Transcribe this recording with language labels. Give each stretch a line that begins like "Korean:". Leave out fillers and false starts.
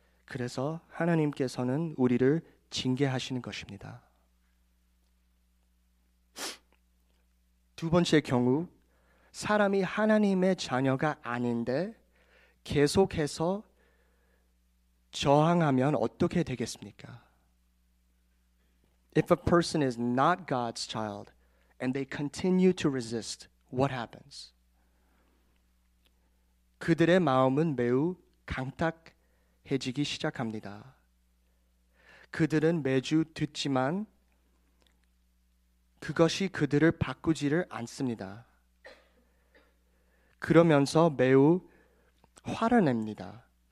Korean: 그래서 하나님께서는 우리를 징계하시는 것입니다. 두 번째 경우, 사람이 하나님의 자녀가 아닌데 계속해서 저항하면 어떻게 되겠습니까?
English: If a person is not God's child and they continue to resist, what happens?
Korean: 그들의 마음은 매우 강탁해지기 시작합니다. 그들은 매주 듣지만 그것이 그들을 바꾸지를 않습니다. 그러면서 매우 화를 냅니다.